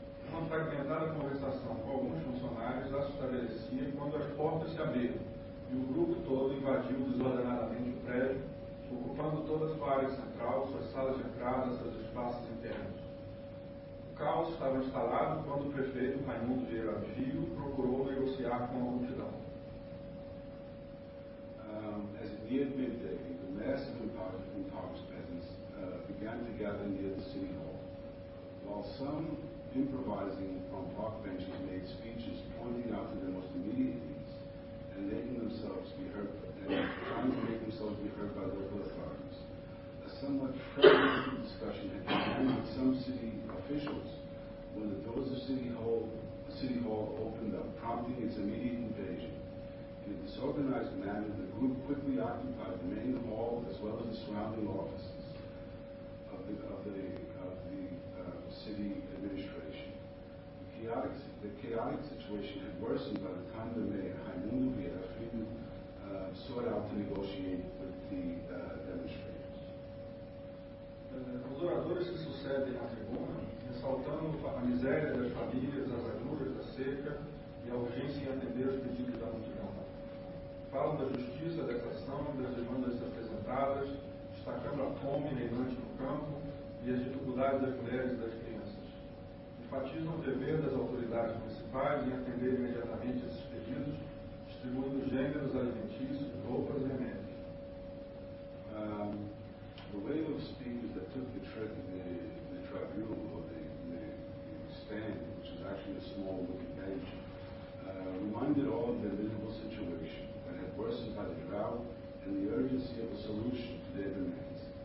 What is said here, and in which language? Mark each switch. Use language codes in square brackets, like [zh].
[pt] Uma fragmentada conversação com alguns funcionários já se estabelecia quando as portas se abriram e o grupo todo invadiu desordenadamente o prédio, ocupando toda a sua área central, suas salas de entrada, seus espaços internos. O caos estava instalado quando o prefeito Raimundo Vieira Filho procurou negociar com a multidão. [en] As it neared midday, the massive impoverished peasants began to gather near the city hall. While some, improvising on park benches, made speeches pointing out to the most immediate needs and making themselves be heard, and trying to make themselves be heard by local authorities, a somewhat frustrating discussion had begun with some city officials when the doors of City Hall opened up, prompting its immediate invasion. In a disorganized manner, the group quickly occupied the main hall as well as the surrounding offices of the city administration. The chaotic situation had worsened by the time the mayor, Raimundo Vieira Filho, sought out to negotiate with the demonstrators. [pt] Os oradores se sucedem na tribuna, ressaltando a miséria das famílias, as agruras da seca e a urgência em atender os pedidos da multidão. Falam da justiça dessa ação, das demandas apresentadas, destacando a fome reinante no campo e as dificuldades das mulheres e das crianças. Enfatizam o dever das autoridades municipais em atender imediatamente esses pedidos, distribuindo gêneros alimentícios, roupas e remédios. [en] The wave of speakers that took the trip in the tribunal, or the stand, which is actually a small wooden bench, reminded all of their miserable situation, worsened by the drought and the urgency of a solution to their demands.